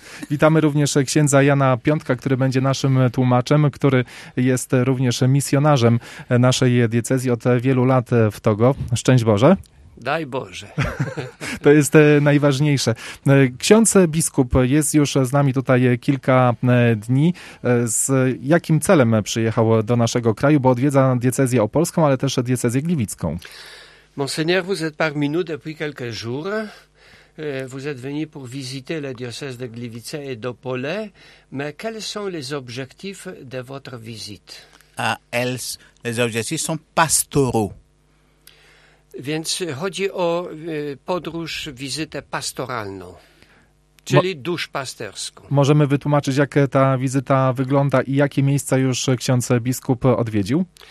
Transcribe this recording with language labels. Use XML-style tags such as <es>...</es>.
<pl>Witamy również księdza Jana Piątka, który będzie naszym tłumaczem, który jest również misjonarzem naszej diecezji od wielu lat w Togo. Szczęść Boże. Daj Boże. To jest najważniejsze. Ksiądz biskup jest już z nami tutaj kilka dni. Z jakim celem przyjechał do naszego kraju? Bo odwiedza diecezję opolską, ale też diecezję gliwicką.</pl> <fr>Monseigneur, vous êtes parmi nous depuis quelques jours. Vous êtes venu pour visiter le diocèse de Gliwice et d'Opole. Mais quels sont les objectifs de votre visite? Les objectifs sont pastoraux.</fr> <pl>Więc chodzi o podróż, wizytę pastoralną, czyli duszpasterską. Możemy wytłumaczyć, jak ta wizyta wygląda i jakie miejsca już ksiądz biskup odwiedził?</pl>